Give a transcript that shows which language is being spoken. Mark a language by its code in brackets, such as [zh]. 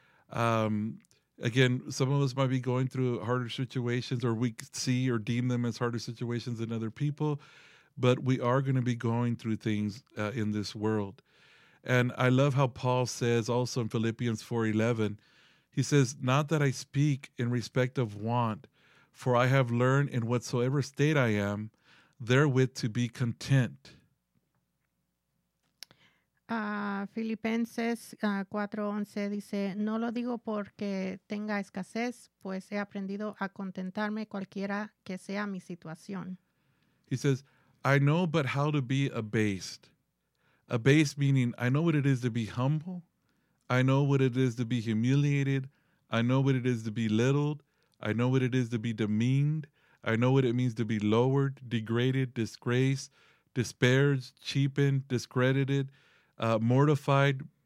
[en] Again, some of us might be going through harder situations, or we see or deem them as harder situations than other people, but we are going to be going through things in this world. And I love how Paul says also in Philippians 4:11, he says, not that I speak in respect of want, for I have learned in whatsoever state I am, therewith to be content. [es] Filipenses 4:11 dice, no lo digo porque tenga escasez, pues he aprendido a contentarme cualquiera que sea mi situación. [en] He says, I know but how to be abased. Abased meaning, I know what it is to be humble. I know what it is to be humiliated. I know what it is to be belittled. I know what it is to be demeaned. I know what it means to be lowered, degraded, disgraced, disparaged, cheapened, discredited, mortified.